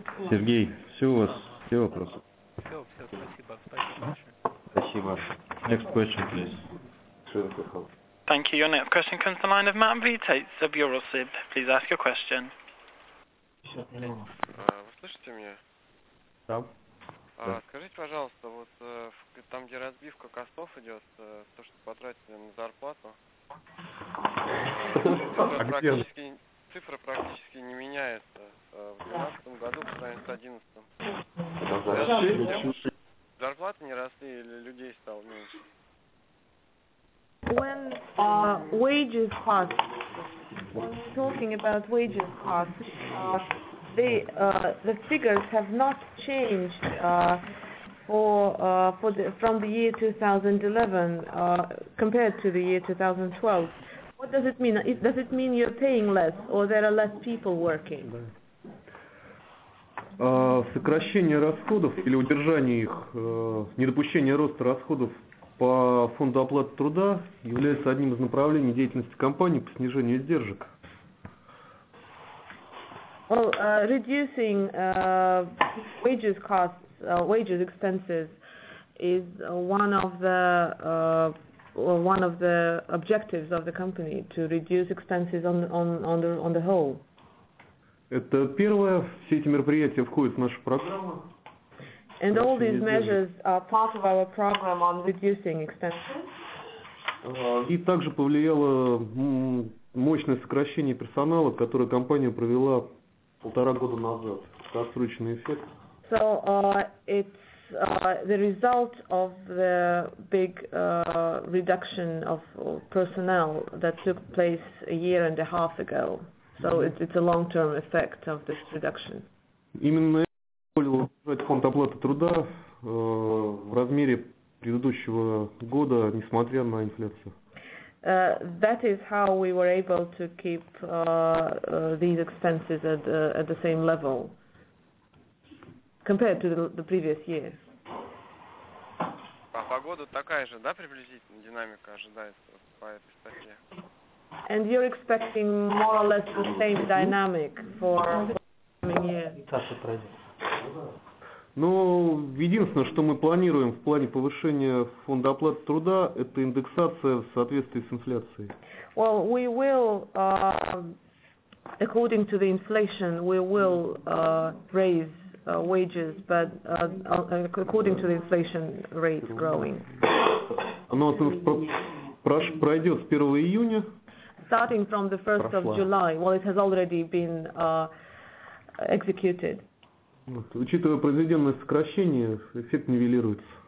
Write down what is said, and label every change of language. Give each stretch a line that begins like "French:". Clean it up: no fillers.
Russian: Сергей, все у вас, все вопросы. Все, все, спасибо, спасибо большое. Спасибо.
English: Next question, please. Thank you. Your next question comes to the line of Matt Vitez of Eurosib. Please ask your question.
Russian: Вы слышите меня? Да. А скажите, пожалуйста, вот там, где разбивка костов идет, то, что потратили на зарплату, цифра практически не меняется. В 2012 году станет 2011. Зарплаты не росли или людей стало меньше?
English: When wages cost, when we're talking about wages cost, the figures have not changed from the year 2011 compared to the year 2012. What does it mean? Does it mean you're paying less or there are less people working?
Russian: Сокращение расходов или удержание их, недопущение роста расходов по фонду оплаты труда является одним из направлений деятельности компании по снижению издержек.
English: Well, reducing wages costs, wages expenses, is one of the objectives of the company to reduce expenses on the whole.
Russian: Это первое. Все эти мероприятия входят в нашу программу.
English: And all these measures are part of our program on reducing expenses.
Russian: И также повлияло мощное сокращение персонала, которое компания провела полтора года назад. Краткосрочный эффект.
English: So it's the result of the big reduction of personnel that took place a year and a half ago. So it's a long-term effect of this reduction.
Russian: Именно позволило удержать фонд оплаты труда в размере предыдущего года, несмотря на инфляцию.
English: That is how we were able to keep these expenses at the same level compared to the previous year.
Russian: А погода такая же, да, приблизительно динамика ожидается по этой статье.
English: And you're expecting more or less the same dynamic for the coming year.
Russian: Ну, единственное, что мы планируем в плане повышения фонда оплаты труда, это индексация в соответствии с инфляцией.
English: Well, we will, according to the inflation, we will raise wages, but according to the inflation rate growing.
Russian: Оно пройдет с 1 июня.
English: Starting from the 1st of July, well, it has already been executed.
Russian: Учитывая произведенное сокращение, эффект нивелируется.